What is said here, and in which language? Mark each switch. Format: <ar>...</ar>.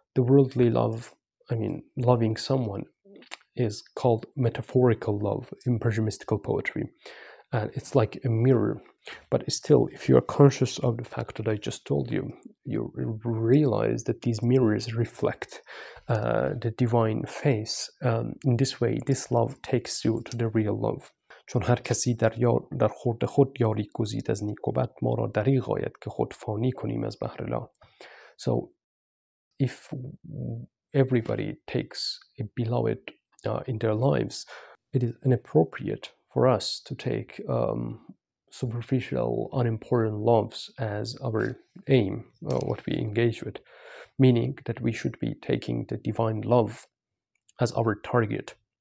<en>The worldly love, I mean, loving someone, is called metaphorical love in Persian mystical poetry. And it's like a mirror. But still, if you are conscious of the fact that I just told you, you realize that these mirrors reflect the divine face. In this way, this love takes you to the real love.</en> <fa>چون هر کسی در یار در خورد خود یاری گزید از نیک و بد ما را دریغ آید که خود فانی کنیم از بحر لا.</fa> <en>So if everybody takes a beloved in their lives, it is inappropriate for us to take superficial, unimportant loves as our aim, what we engage with, meaning that we should be taking the divine love as our target.</en>